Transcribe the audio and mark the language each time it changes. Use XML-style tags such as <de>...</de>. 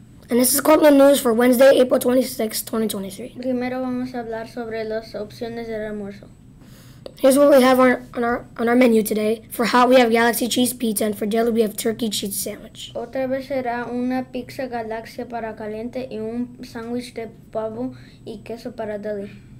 <en>And this is Cortland News for Wednesday, April 26, 2023.</en> <es>Primero vamos a hablar sobre las opciones de almuerzo.</es> <en>Here's what we have on our menu today. For hot, we have Galaxy Cheese Pizza, and for deli, we have Turkey Cheese Sandwich.</en> <es>Otra vez será una pizza galaxia para caliente y un sándwich de pavo y queso para deli.</es>